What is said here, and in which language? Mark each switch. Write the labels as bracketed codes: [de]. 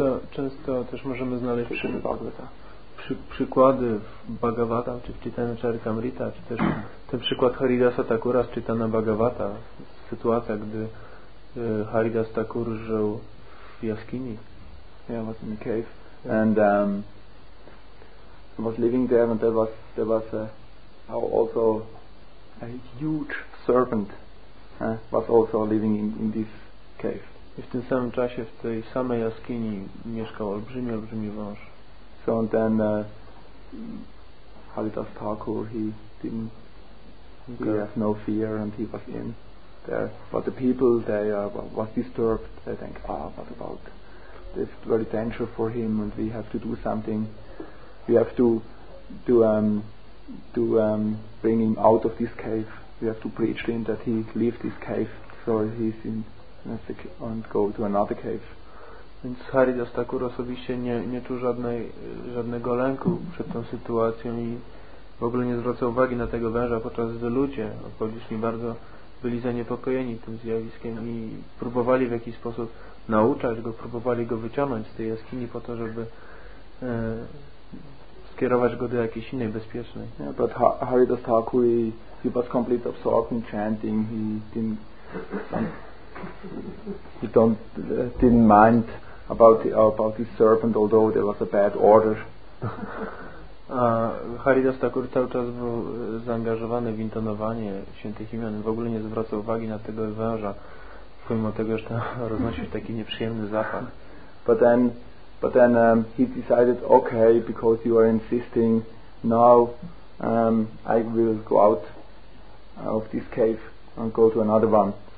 [pl] Często też możemy znaleźć przykłady w Bhagavatam czy w Chaitanya Charitamrita, czy też ten przykład Haridasa Thakura z Chaitanya Bhagavata, sytuacja, gdy Haridas Thakur żył w jaskini. [en] Yeah, was in a cave. And was living there, and there was also a huge serpent, was also living in this cave. I w tym samym czasie w tej samej jaskini mieszkał olbrzymi, olbrzymi wąż. So and then Haridas Thakur, he didn't okay. He had no fear and he was in there. But the people, they was disturbed. They think, ah, what about? It's very dangerous for him, and we have to do something. We have to bring him out of this cave. We have to preach to him that he leave this cave, so he's in and go to another cave. [pl] Więc Haridas Thakur osobiście nie czuł żadnego lęku przed tą sytuacją i w ogóle nie zwracał uwagi na tego węża, podczas gdy ludzie okoliczni bardzo byli zaniepokojeni tym zjawiskiem i próbowali w jakiś sposób nauczać go, próbowali go wyciągnąć z tej jaskini po to, żeby skierować go do jakiejś innej bezpiecznej. [en] Yeah, but Haridas Thakur, he was completely absorbed in chanting. He didn't mind about this serpent, although there was a bad order. [pl] Haridas Thakur cały czas był zaangażowany w intonowanie świętych imion. W ogóle nie zwracał uwagi na tego węża, pomimo tego, że roznosił taki nieprzyjemny zapach. [en] But then he decided, okay, because you are insisting, now I will go out of this cave and go to another one.